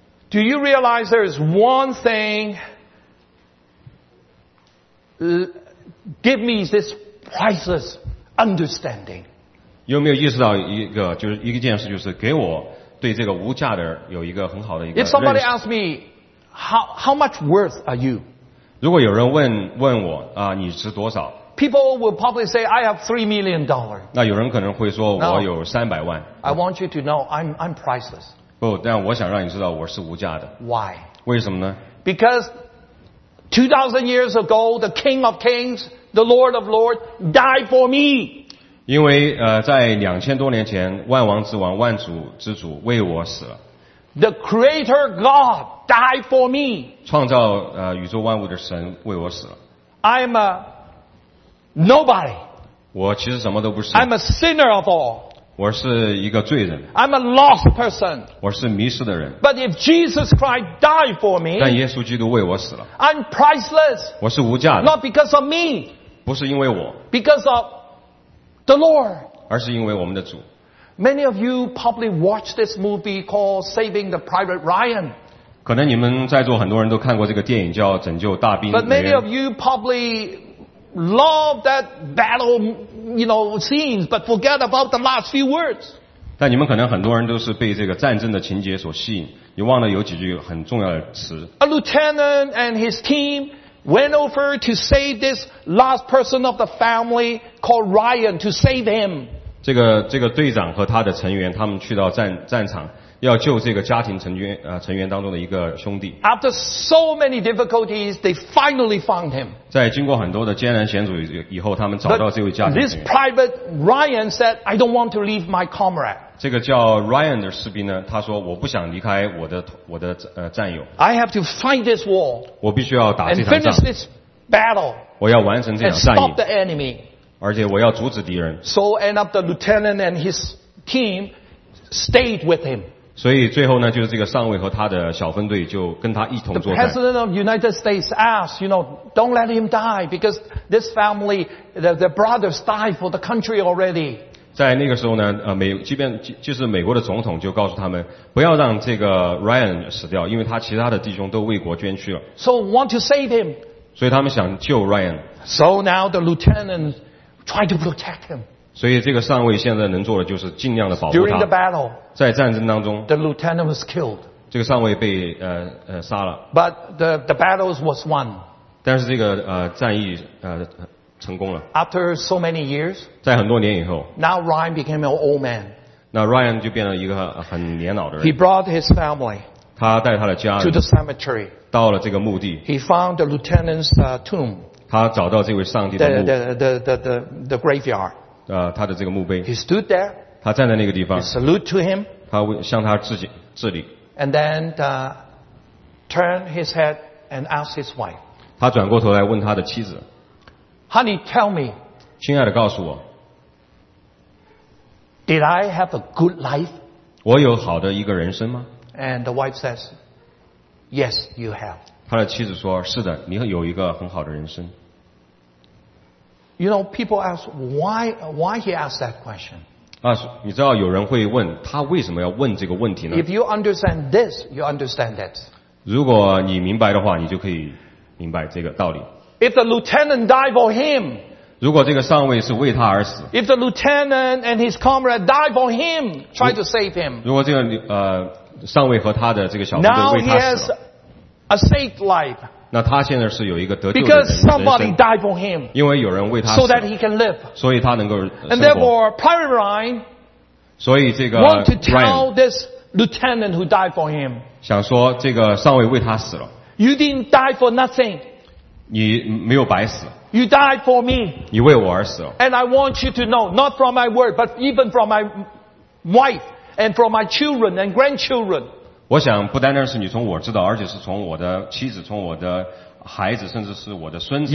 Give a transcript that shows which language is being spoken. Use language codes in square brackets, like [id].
[en] Do you realize there is one thing? Give me this priceless understanding. [zh] 有没有意识到一个就是一件事，就是给我对这个无价的有一个很好的一个认识。 [en] If somebody asks me how much worth are you? [zh] 如果有人问我啊，你值多少 [en] ？People will probably say I have $3 million. [zh] 那有人可能会说我有300万。 [en] I want you to know I'm priceless. [zh] Oh, 但我想让你知道我是无价的。 [en] Why? [zh] 为什么呢 [en] ？Because 2,000 years ago, the King of Kings, the Lord of Lords, died for me. [zh] 因为在2000多年前，万王之王、万主之主为我死了。 [en] The Creator God died for me. [zh] 创造宇宙万物的神为我死了。 [en] I'm a nobody. [zh] 我其实什么都不是。 [en] I'm a sinner of all. [zh] 我是一个罪人。 [en] I'm a lost person. [zh] 我是迷失的人。 [en] But if Jesus Christ died for me, [zh] 但耶稣基督为我死了。 [en] I'm priceless. [zh] 我是无价的。 [en] Not because of me. [zh] 不是因为我。 [en] Because of the Lord. [zh] 而是因为我们的主。 [en] Many of you probably watched this movie called Saving the Private Ryan. [zh] 可能你们在座很多人都看过这个电影叫《拯救大兵》。 [en] But many of you probably love that battle. You know, scenes, but forget about the last few words. [zh] 但你们可能很多人都是被这个战争的情节所吸引，你忘了有几句很重要的词。 [en] A lieutenant and his team went over to save this last person of the family called Ryan to save him. [zh] 这个队长和他的成员，他们去到战场，要救这个家庭成员当中的一个兄弟。 [en] After so many difficulties, they finally found him. [zh] 在经过很多的艰难险阻以后，他们找到这位家庭成员。 [en] This private Ryan said, "I don't want to leave my comrade." [zh] 这个叫 Ryan 的士兵呢，他说我不想离开我的战友。 [en] I have to fight this war. [zh] 我必须要打这场仗。 [en] And finish this battle. [zh] 我要完成这场战役。 [en] And stop the enemy. [zh] 而且我要阻止敌人。 [en] So end up the lieutenant and his team stayed with him. [zh] 所以最后呢，就是这个上尉和他的小分队就跟他一同作战。 [en] The President of the United States asked, you know, don't let him die because this family, the brothers died for the country already. [zh] 在那个时候呢，即便美国的总统就告诉他们，不要让这个 Ryan 死掉，因为他其他的弟兄都为国捐躯了。 [en] So want to save him. [zh] 所以他们想救 Ryan. [en] So now the lieutenant tried to protect him. [zh] 所以这个上尉现在能做的就是尽量的保护他。 [en] Battle, [zh] 在战争当中 [en] ，the lieutenant was killed. [zh] 这个上尉被杀了。 [en] But the battles was won. [zh] 但是这个战役成功了。 [en] After so many years, [zh] 在很多年以后 [en] ，now Ryan became an old man. [zh] 那 Ryan 就变成一个很年老的人。 [en] He brought his family. [zh] 他带他的家人 [en] to the cemetery. [zh] 到了这个墓地。 [en] He found the lieutenant's tomb. [zh] 他找到这位上帝的墓。 [en] The graveyard. [zh] 他的这个墓碑 [en] he stood there, [zh] 他站在那个地方 [en] he salute to him, [zh] 他向他致礼 [en] and then turn his head and ask his wife [zh] 他转过头来问他的妻子 [en] Honey, tell me [zh] 亲爱的告诉我 [en] Did I have a good life? [zh] 我有好的一个人生吗 [en] And the wife says Yes, you have [zh] 他的妻子说是的你有一个很好的人生 [en] You know, people ask why he asked that question. [zh] 啊，你知道有人会问他为什么要问这个问题呢 [en] ？If you understand this, you understand that. [zh] 如果你明白的话，你就可以明白这个道理。 [en] If the lieutenant died for him, [zh] 如果这个上尉是为他而死。 [en] If the lieutenant and his comrade died for him, try to save him. [zh] 如果这个上尉和他的这个小分队为他死了。 [en] Now he has a safe life. [zh] 那他现在是有一个得救的人生。 [en] Because somebody died for him. [zh] 因为有人为他死。 [en] So that he can live. [zh] 所以他能够生活。 [en] And therefore, Private Ryan. [zh] 所以这个 [en] Ryan. Want to tell this lieutenant who died for him. [zh] 想说这个上尉为他死了。 [en] You didn't die for nothing. [zh] 你没有白死。 [en] You died for me. [zh] 你为我而死了。 [en] And I want you to know, not from my word, but even from my wife and from my children and grandchildren. [zh] 我想不单单是你从我知道，而且是从我的妻子、从我的孩子，甚至是我的孙子。